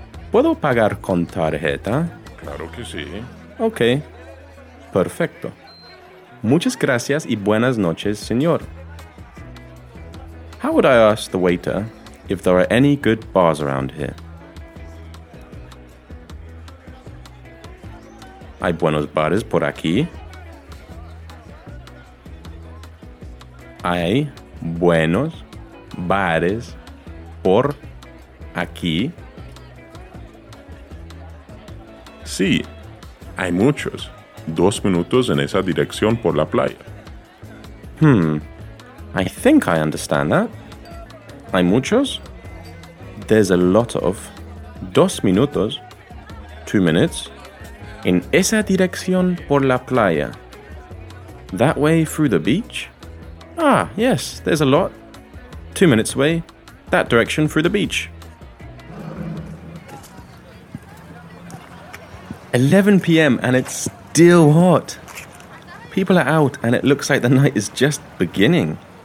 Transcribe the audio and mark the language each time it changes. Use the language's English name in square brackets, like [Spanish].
[Spanish] ¿Puedo pagar con tarjeta? Claro que sí. Ok. Perfecto. Muchas gracias y buenas noches, señor. [English] How would I ask the waiter if there are any good bars around here? [Spanish] ¿Hay buenos bares por aquí? ¿Hay buenos bares por aquí? Sí, hay muchos. 2 minutos en esa dirección por la playa. [English] I think I understand that. [Spanish] ¿Hay muchos? [English] There's a lot of. [Spanish] 2 minutos. [English] 2 minutes. [Spanish] En esa dirección por la playa. [English] That way through the beach? Yes, there's a lot. 2 minutes away. That direction through the beach. 11 p.m. and it's still hot. People are out and it looks like the night is just beginning.